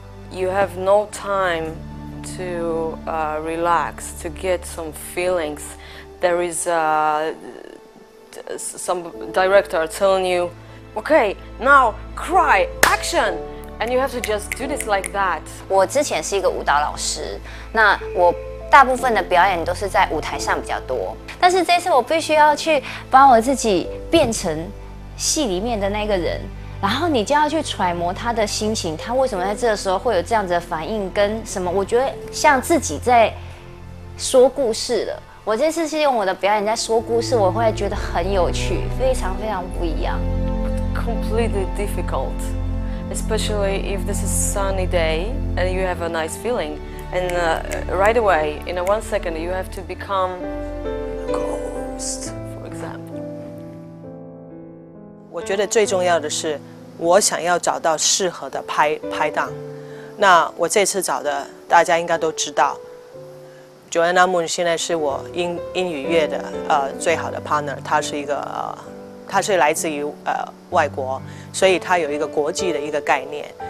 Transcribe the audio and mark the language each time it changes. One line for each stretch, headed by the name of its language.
English: You have no time to relax, to get some feelings. There is some director telling you, okay, now cry, action! And you have to just do this like that.
Chinese: 我之前是一个舞蹈老师，那我大部分的表演都是在舞台上比较多。但是这次我必须要去把我自己变成戏里面的那个人。然后你就要去揣摩他的心情，他为什么在这个时候会有这样子的反应跟什么？我觉得像自己在说故事了。我这次是用我的表演在说故事，我会觉得很有趣，非常非常不一样。
English: Completely difficult, especially if this is a sunny day and you have a nice feeling, and right away in a one second you have to become a ghost.
Chinese: 我觉得最重要的是我想要找到适合的拍档。那我这次找的大家应该都知道 Joanna Moon 现在是我英语乐的最好的 partner， 她是一个她是来自于外国，所以她有一个国际的一个概念。